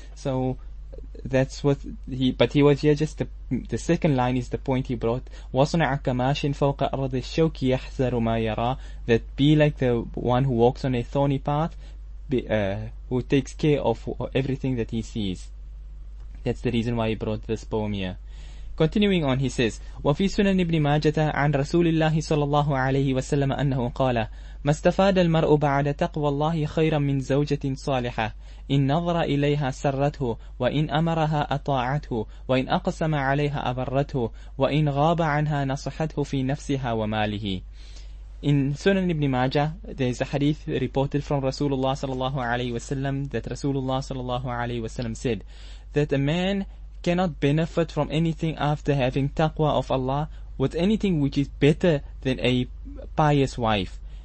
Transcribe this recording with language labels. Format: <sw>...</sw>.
<en>So that's what he was here. Just the second line is the point he brought.</en> <ar>وَصُنَعَ كَمَاشٍ فَوْقَ أَرْضِ الشَّوْكِ يَحْذَرُ مَا يَرَى.</ar> <en>That be like the one who walks on a thorny path, who takes care of everything that he sees. That's the reason why he brought this poem here. Continuing on, he says,</en> <ar>وَفِي سُنَنِ ابْنِ مَاجَةَ عَنْ رَسُولِ اللَّهِ صَلَى اللَّهُ عَلَيْهِ وَسَلَّمَ أَنَّهُ قَالَ مَا اسْتَفَادَ الْمَرْءُ بَعْدَ تَقْوَى اللَّهِ خَيْرًا مِنْ زَوْجَةٍ صَالِحَةٍ إِنْ نَظَرَ إِلَيْهَا سَرَّتْهُ وَإِنْ أَمَرَهَا أَطَاعَتْهُ وَإِنْ أَقْسَمَ عَلَيْهَا أَبَرَّتْهُ وَإِنْ غَابَ عَنْهَا نَصَحَتْهُ فِي نَفْسِهَا وَمَالِهِ.</ar> <en>In Sunan ibn Majah, there is a hadith reported from Rasulullah sallallahu alayhi wa sallam that Rasulullah sallallahu alayhi wa sallam said that a man cannot benefit from anything after having taqwa of Allah with anything which is better than a pious wife.</en>